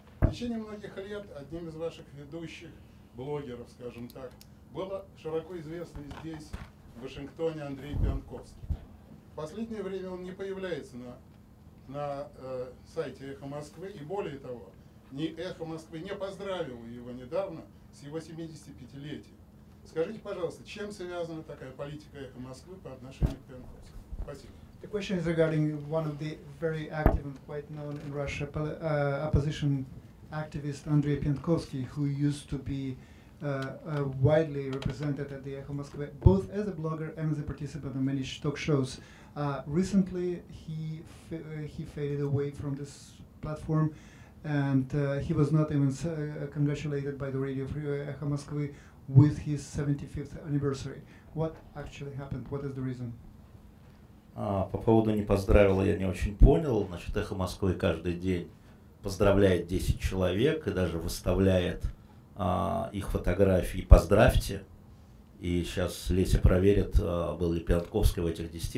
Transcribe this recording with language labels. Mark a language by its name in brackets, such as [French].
[Russian] В течение многих лет одним из ваших ведущих блогеров, скажем так, был широко известный здесь, в Вашингтоне, Андрей Пионковский. В последнее время он не появляется на сайте «Эхо Москвы», и более того, ни «Эхо Москвы» не поздравило его недавно с его 75-летием. Скажите, пожалуйста, чем связана такая политика «Эхо Москвы» по отношению к Пионковскому? Спасибо. [English] The question is regarding one of the very active and quite known in Russia opposition activist Andrei Pionkovsky, who used to be widely represented at the Echo Moskva, both as a blogger and as a participant of many talk shows. Recently, he faded away from this platform, and he was not even congratulated by the Radio Free Echo Moskva with his 75th anniversary. What actually happened? What is the reason? [Russian] По поводу «не поздравила» я не очень понял. Значит, «Эхо Москвы» каждый день поздравляет 10 человек и даже выставляет их фотографии «поздравьте». И сейчас Леся проверит, был ли Пионковский в этих 10.